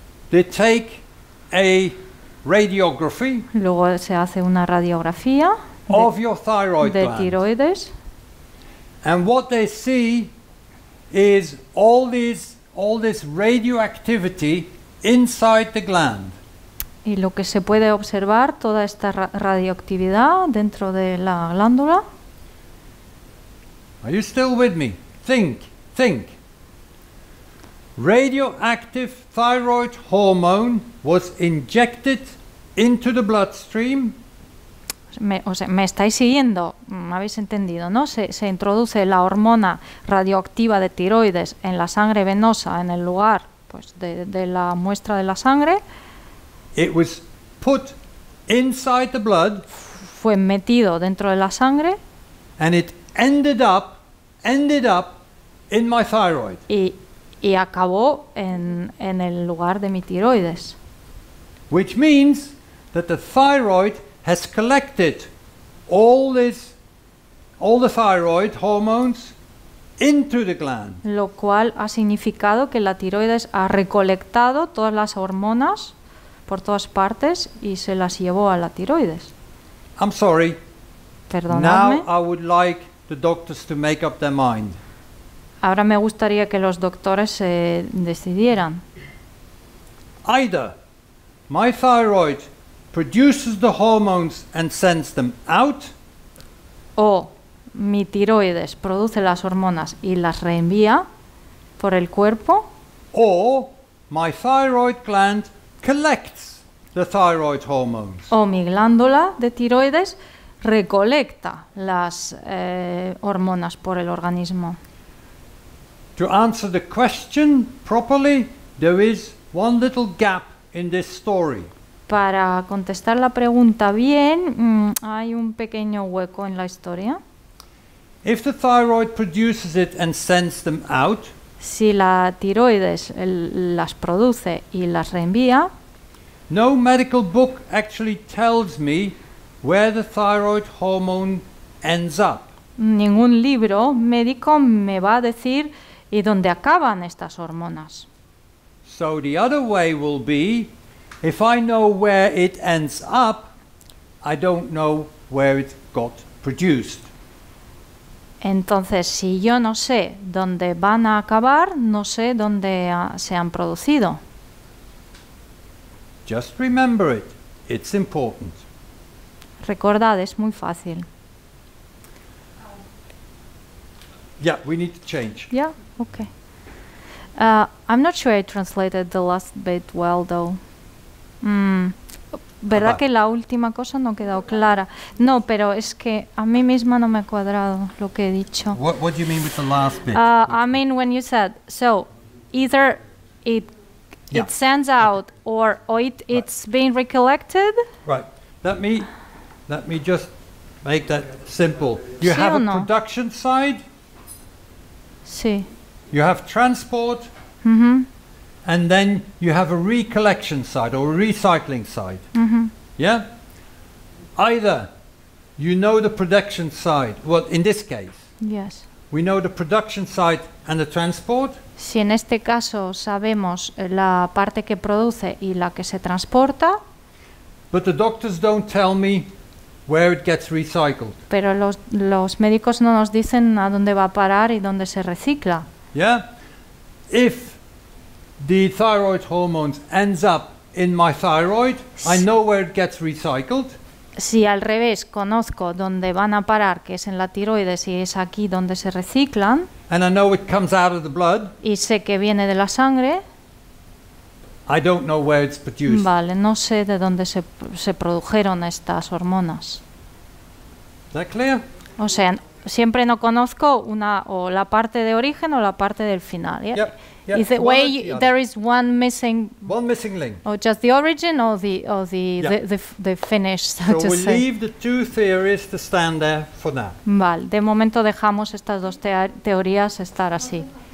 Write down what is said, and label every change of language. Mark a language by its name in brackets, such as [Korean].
[English] they take a radiography. [Spanish] Luego se hace una radiografía [English] of your thyroid gland. [Spanish] De tiroides. [English] And what they see is all this radioactivity inside the gland. [Spanish] Y lo que se puede observar, toda esta radioactividad dentro de la glándula. [English] Are you still with me? Think. Radioactive thyroid hormone was injected into the bloodstream. [Spanish] Me estáis siguiendo, me habéis entendido, ¿no? Se introduce la hormona radioactiva de tiroides en la sangre venosa, en el lugar pues, de la muestra de la sangre. [English] It was put inside the blood. [Spanish] Fue metido dentro de la sangre. [English] And it ended up in my thyroid. [Spanish] Y acabó en el lugar de mi tiroides. [English] Which means that the thyroid has collected all the thyroid hormones into the gland. [Spanish] Lo cual ha significado que la tiroides ha recolectado todas las hormonas por todas partes y se las llevó a la tiroides. [English] I'm sorry. [Spanish] Perdonadme. [English] Now I would like the doctors to make up their mind. [Spanish] Ahora me gustaría que los doctores se decidieran. [English] Either my thyroid produces the hormones and sends them out. [Spanish] O mi tiroides produce las hormonas y las reenvía por el cuerpo. [English] O my thyroid gland collects the thyroid hormones. [Spanish] O mi glándula de tiroides recolecta las hormonas por el organismo. [English] To answer the question properly, there is one little gap in this story. [Spanish] Para contestar la pregunta bien, hay un pequeño hueco en la historia. [English] If the thyroid produces it and sends them out, [Spanish] si la tiroides las produce y las reenvía, [English] no medical book actually tells me where the thyroid hormone ends up. [Spanish] Ningún libro médico me va a decir y dónde acaban estas hormonas. [English] So the other way will be, if I know where it ends up, I don't know where it got produced. [Spanish] Entonces, si yo no sé dónde van a acabar, no sé dónde se han producido. [English] Just remember it. It's important. [Spanish] Recordad, es muy fácil. [English] Yeah, we need to change. Yeah, okay. I'm not sure I translated the last bit well, though. [Spanish] ¿Verdad que la última cosa no ha quedado clara? No, pero es que a mí misma no me ha cuadrado lo que he dicho. [English] What do you mean with the last bit? I mean when you said, so, either it sends out or it's been recollected. Right. Let me just make that simple. You [Spanish] sí [English] have [Spanish] o no? [English] A production side. [Spanish] Sí. [English] You have transport. Mm-hmm. And then you have a recollection side or a recycling side. Mm-hmm. Yeah? Either you know the production side. Well, in this case. Yes. We know the production side and the transport. [Spanish] Si en este caso sabemos la parte que produce y la que se transporta. [English] But the doctors don't tell me where it gets recycled. [Spanish] Pero los médicos no nos dicen a dónde va a parar y dónde se recicla. [English] Yeah? If the thyroid hormones ends up in my thyroid, I know where it gets recycled. [Spanish] Si al revés, conozco dónde van a parar, que es en la tiroides y es aquí donde se reciclan. [English] And I know it comes out of the blood. [Spanish] Y sé que viene de la sangre. [English] I don't know where it's produced. [Spanish] Vale, no sé de dónde se produjeron estas hormonas. [English] Is that clear? [Spanish] O sea, siempre no conozco una o la parte de origen o la parte del final. [English] Yeah? Yep. Yeah, is the way there is one missing link, or just the origin, or the finish, so to say. So we leave the two theories to stand there for now. [Spanish] Vale, de momento dejamos estas dos teorías estar así.